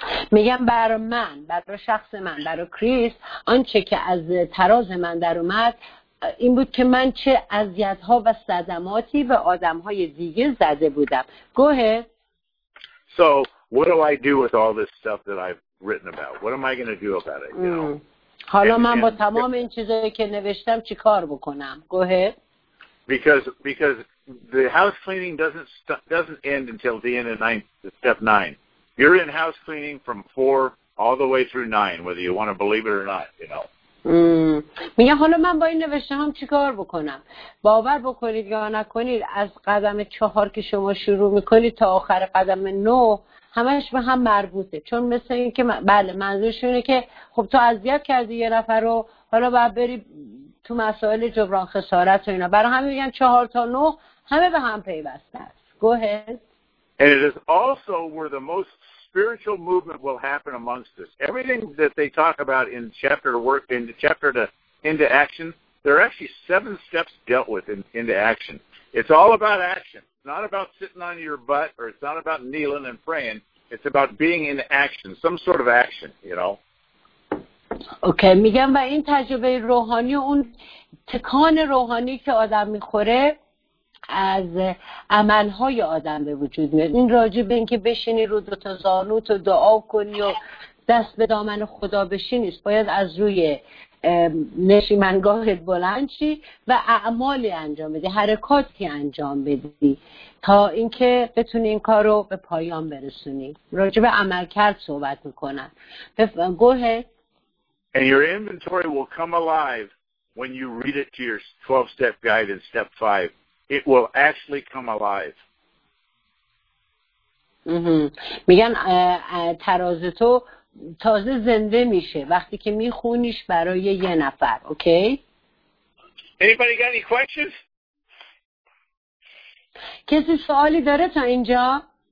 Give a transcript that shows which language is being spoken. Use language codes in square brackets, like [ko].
[fa] میگم بر من، بر شخص من، بر کریس، آنچه که از تراز من در اومد این بود که من چه اذیت ها و صدماتی به آدم های دیگه زده بودم. [en] گوهه. So what do I do with all this stuff that I've written about? What am I going to do about it? [fa] حالا من با تمام این چیزایی که نوشتم چی کار بکنم؟ [en] گوهه. Because the house cleaning doesn't end until the end of step nine. You're in house cleaning from 4 all the way through 9, whether you want to believe it or not, you know. [fa] میگه حالا من با این نوشته هم چی کار بکنم؟ باور بکنید یا نکنید، از قدم 4 که شما شروع میکنید تا آخر قدم 9 همش به هم مربوطه. چون مثل این که بله، منظورش اینه که خب تو اذیت کردی یه نفر رو، حالا باید بری تو مسائل جبران خسارت و اینا. برای همین میگن 4 تا 9 همه به هم پیوسته است. [en] Go ahead. And it is also where the most spiritual movement will happen amongst us. Everything that they talk about in chapter into action, there are actually 7 steps dealt with in into action. It's all about action. It's not about sitting on your butt, or it's not about kneeling and praying. It's about being in action, some sort of action, you know. [fa] Okay, میگم و این تجربه روحانی، اون تکان روحانی که آدم میخوره از عملهای آدم به وجود میاد. این راجع به این که بشینی رو دوتا زانوت و دعا کنی و دست به دامن خدا بشینیست، باید از روی نشیمنگاهت بلند شی و اعمالی انجام بدی، حرکاتی انجام بدی تا اینکه بتونی این کار رو به پایان برسونی. راجع به عمل کرد صحبت میکنن. [en] گوهه. And your inventory will come alive when you read it to your 12-step guide in step 5. It will actually come alive. [fa] میگن تراز تو تازه زنده میشه وقتی که میخونیش برای یه نفر. اوکی؟ [en] Anybody got any questions? [fa] کسی سوالی داره تا اینجا؟